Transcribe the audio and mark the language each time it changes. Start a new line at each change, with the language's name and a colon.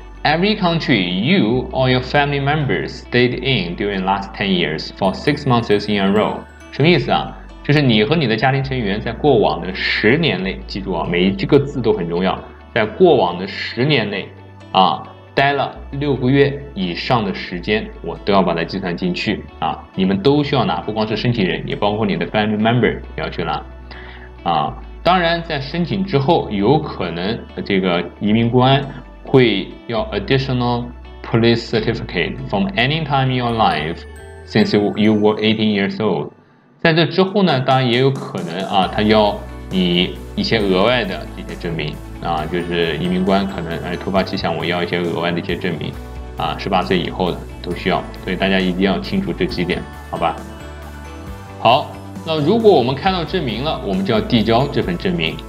English: Every country you or your family members stayed in during last 10 years for 6 months in a row。
Chinese: 什么意思啊？就是你和你的家庭成员在过往的10年内，记住啊，每一个字都很重要，在过往的10年内啊，待了6个月以上的时间，我都要把它计算进去啊。你们都需要拿，不光是申请人，也包括你的
English: family member
Chinese: 要去拿啊。当然在申请之后，有可能这个移民官会要
English: additional police certificate from any time in your life since you were 18 years old。
Chinese: 在这之后呢，当然也有可能啊，他要你一些额外的一些证明啊，就是移民官可能突发奇想，我要一些额外的一些证明啊，18岁以后的都需要，所以大家一定要清楚这几点，好吧。好，那如果我们看到证明了，我们就要递交这份证明。